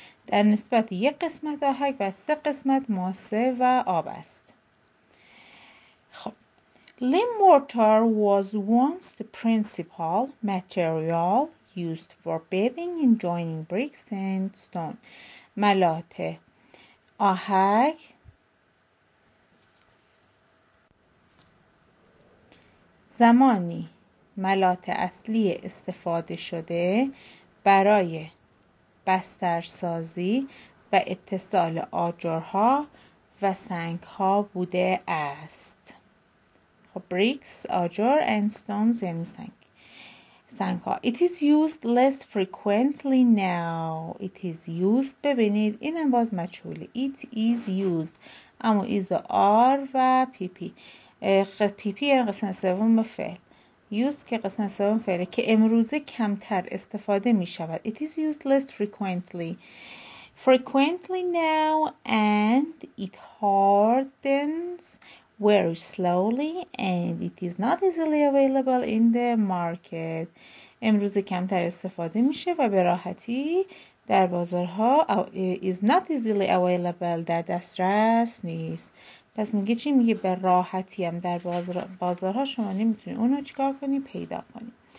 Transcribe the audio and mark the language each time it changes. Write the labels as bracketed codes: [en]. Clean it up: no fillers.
[fa] در نسبت یک قسمت آهک و سه قسمت ماسه و آب است. [en] Lime mortar was once the principal material used for bedding and joining bricks and stone. [fa] ملات آهک زمانی ملات اصلی استفاده شده برای بسترسازی و اتصال آجرها و سنگها بوده است. Bricks, آجر [en] and stones [fa] یعنی سنگ. سنگ ها. [en] It is used less frequently now. It is used. [fa] ببینید این هم باز مجهوله. [en] It is used. اما is R و PP. [fa] PP یعنی قسمت سوم فعل. Used که قسمت سوم فعله که امروزه کمتر استفاده می شود. [en] It is used less frequently. Frequently now and it hardens very slowly and it is not easily available in the market. [fa] امروز کمتر استفاده میشه و به راحتی در بازارها [en] is not easily available [fa] در دسترس نیست. پس میگه چی؟ میگه به راحتی هم در بازارها شما نمیتونید اونو چیکار کنی؟ پیدا کنی.